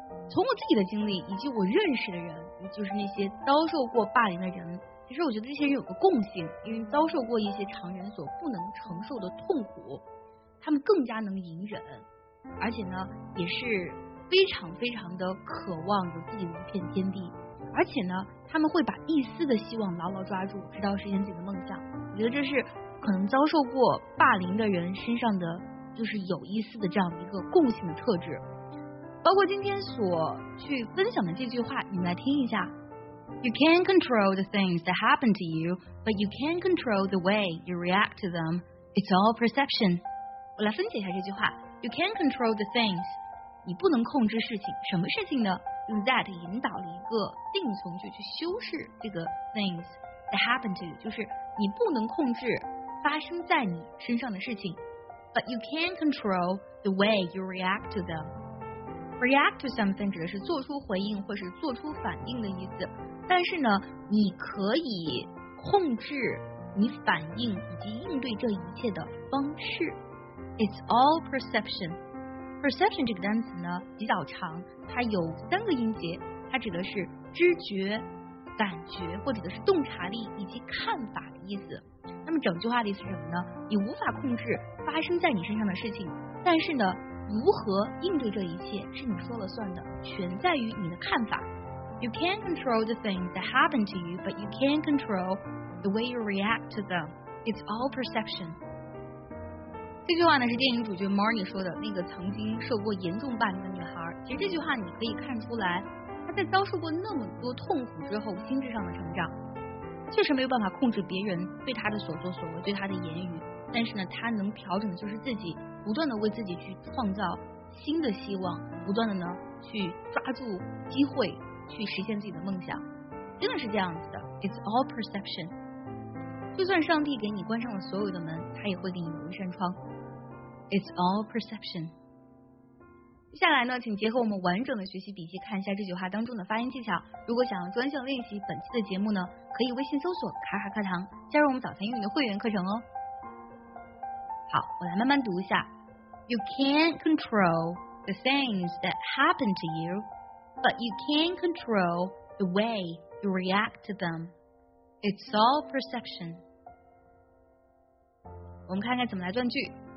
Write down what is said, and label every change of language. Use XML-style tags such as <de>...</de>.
<zh>从我自己的经历以及我认识的人，就是那些遭受过霸凌的人，其实我觉得这些人有个共性，因为遭受过一些常人所不能承受的痛苦，他们更加能隐忍，而且呢也是非常非常的渴望有自己的一片天地，而且呢他们会把一丝的希望牢牢抓住，直到实现自己的梦想。我觉得这是可能遭受过霸凌的人身上的就是有一丝的这样的一个共性的特质。包括今天所去分享的这句话，你们来听一下。</zh> <en>You can control the things that happen to you, but you can control the way you react to them. It's all perception.</en> <zh>我来分解一下这句话。</zh> <en>You can control the things,</en> <zh>你不能控制事情，什么事情呢？用 that 引导了一个定从句去修饰这个 things</zh> <en>that happen to you,</en> <zh>就是你不能控制发生在你身上的事情。</zh> <en>But you can control the way you react to them. React to something</en> <zh>指的是做出回应或是做出反应的意思，但是呢你可以控制你反应以及应对这一切的方式。</zh> <en>It's all perception.</en> <zh>Perception 这个单词呢比较长，它有三个音节，它指的是知觉、感觉或者是洞察力以及看法的意思。那么整句话的意思是什么呢？你无法控制发生在你身上的事情，但是呢如何应对这一切是你说了算的，全在于你的看法。</zh> <en>You can control the things that happen to you, but you can control the way you react to them. It's all perception.</en> <zh>这句话呢是电影主角 Marnie 说的，那个曾经受过严重霸凌的女孩。其实这句话你可以看出来，她在遭受过那么多痛苦之后心智上的成长，确实没有办法控制别人对他的所作所为，对他的言语，但是呢他能调整的就是自己，不断的为自己去创造新的希望，不断的呢去抓住机会去实现自己的梦想。真的是这样子的，</zh> <en>It's all perception.</en> <zh>就算上帝给你关上了所有的门，他也会给你留一扇窗。</zh> <en>It's all perception.</en> <zh>接下来呢请结合我们完整的学习笔记看一下这句话当中的发音技巧。如果想要专项练习本期的节目呢，可以微信搜索卡卡课堂加入我们早餐英语的会员课程哦。好，我来慢慢读一下。</zh> <en>You can control the things that happen to you, but you can control the way you react to them. It's all perception.</en> <zh>我们看看怎么来断句。</zh>